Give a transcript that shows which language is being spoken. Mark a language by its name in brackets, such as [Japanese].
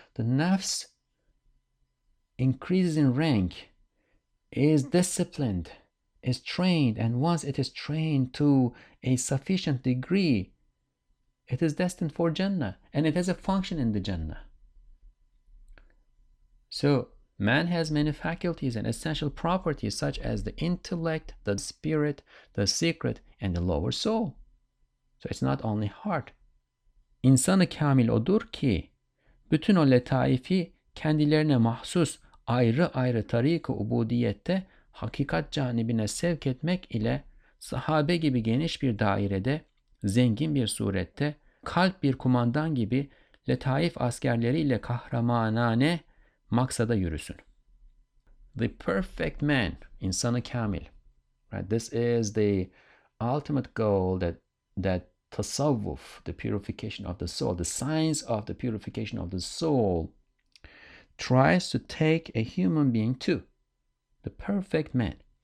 [English] The nafs increases in rank, is disciplined, is trained, and once it is trained to a sufficient degree, it is destined for Jannah, and it has a function in the Jannah. So, man has many faculties and essential properties such as the intellect, the spirit, the secret, and the lower soul. So it's not only heart. [Turkish] İnsanı kamil odur ki, bütün o letaifi kendilerine mahsus ayrı ayrı tarik-i ubudiyette hakikat canibine sevk etmek ile sahabe gibi geniş bir dairede, zengin bir surette, kalp bir kumandan gibi letaif askerleriyle kahramanane maksada yürüsün. [English] The perfect man, insanı kamil. Right? This is the ultimate goal that tasavvuf, the purification of the soul, the science of the purification of the soul, tries to take a human being to. The perfect man.